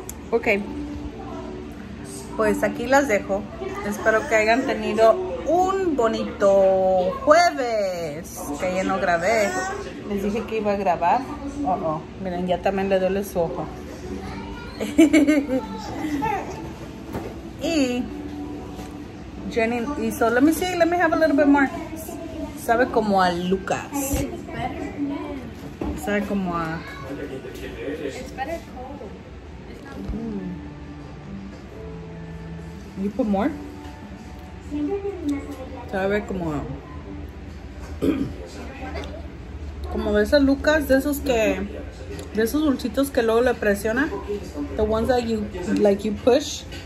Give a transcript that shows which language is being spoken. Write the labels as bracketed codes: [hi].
[es] Ok, pues aquí las dejo. Espero que hayan tenido un bonito jueves, que ya no grabé. Les dije que iba a grabar. Oh, oh. Miren, ya también le duele su ojo. Y Jenny hizo, [en] let me have a little bit more. [es] Sabe como a Lucas. Sabe como a... [en] You put more? [es] Sabe como a... Como ves a Lucas, de esos que... De esos dulcitos que luego le presiona. [en] The ones that you, like you push.